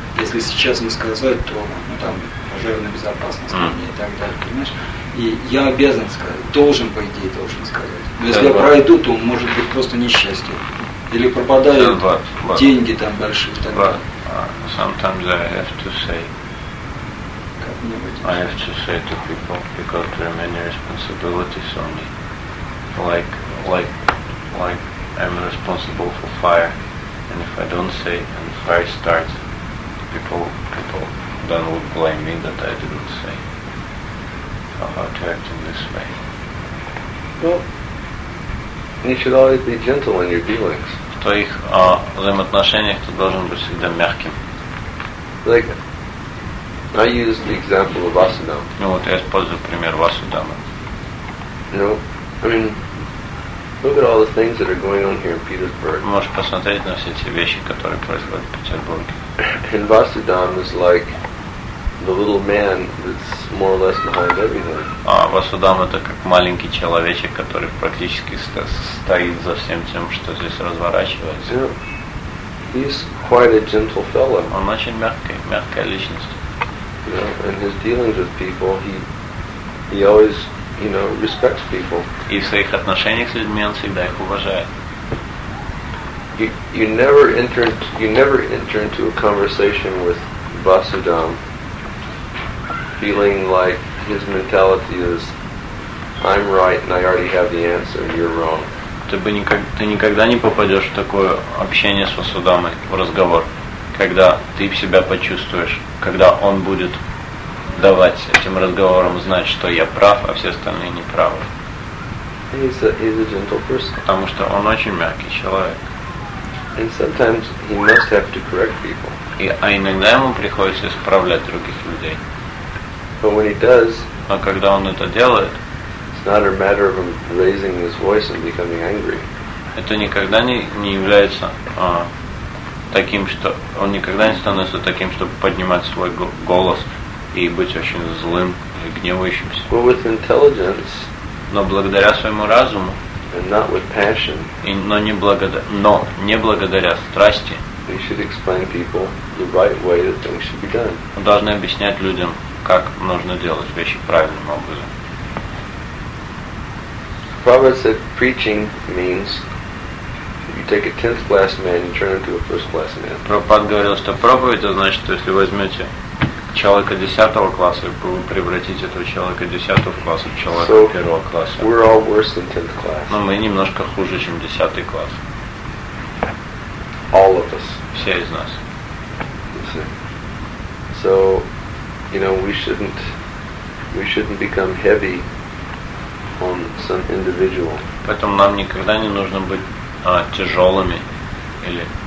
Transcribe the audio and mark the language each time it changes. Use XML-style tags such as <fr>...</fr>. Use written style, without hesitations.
<ru>Если сейчас не сказать, то ну, там пожарная безопасность и так далее, понимаешь? И я обязан сказать, должен, по идее, должен сказать. Но если я пройду, то может быть просто несчастье. Или пропадают деньги там большие.</ru> <en>But sometimes I have to say. I have to say to people because there are many responsibilities on me. Like I'm responsible for fire. And if I don't say, and if I start, people then would blame me that I didn't say. So how to act in this way? Well, you should always be gentle in your dealings.</en> <ru>В твоих взаимоотношениях ты должен быть всегда мягким.</ru> <en>Like, I use the example of Vasudama.</en> <ru>Ну вот я использую пример Васудамы.</ru> <en>No, I mean, look at all the things that are going on here in Petersburg.</en> <ru>Можешь посмотреть на все те вещи, которые происходят в Петербурге.</ru> <en>And Vasudam is like the little man that's more or less behind everything.</en> <ru>А Васудам это как маленький человечек, который практически стоит за всем тем, что здесь разворачивается.</ru> <en>Yeah. He's quite a gentle fellow.</en> <ru>Он очень мягкая личность.</ru> <en>Yeah. And his dealings with people, he always, you know, respects people.</en> <ru>И в своих отношениях с людьми он всегда их уважает.</ru> <en>You never enter into a conversation with Vasudam feeling like his mentality is I'm right and I already have the answer, you're wrong.</en> <ru>Ты никогда не попадешь в такое общение с Васудамой, в разговор, когда ты себя почувствуешь, когда он будет давать этим разговорам знать, что я прав, а все остальные не правы.</ru> <en>He's a gentle person.</en> <ru>Потому что он очень мягкий человек.</ru> <en>And sometimes he must have to correct people.</en> <ru>А иногда ему приходится исправлять других людей.</ru> <en>But when he does,</en> <ru>а когда он это делает,</ru> <en>it's not a matter of him raising his voice and becoming angry.</en> <ru>Это никогда не является таким, что он никогда не становится таким, чтобы поднимать свой голос и быть очень злым и гневающимся.</ru> <en>But with intelligence,</en> <ru>но благодаря своему разуму.</ru> <en>And not with passion.</en> <ru>Но не благодаря страсти.</ru> <en>We should explain people the right way that things should be done.</en> <ru>Мы должны объяснять людям, как нужно делать вещи правильным образом.</ru> <en>Proverbs said preaching means you take a 10th class man and turn into a 1st class man.</en> <ru>Пропад говорил, что проповедь значит, что если возьмете человека 10 класса, вы превратите этого человека 10 класса в человека 1 класса.</ru> <en>We're all worse than 10th class.</en> <ru>Но мы немножко хуже, чем 10 класс.</ru> <en>All of us.</en> <ru>Все из нас.</ru> <en>So, you know, we shouldn't become heavy on some individual.</en> <ru>Поэтому нам никогда не нужно быть тяжелыми или...</ru>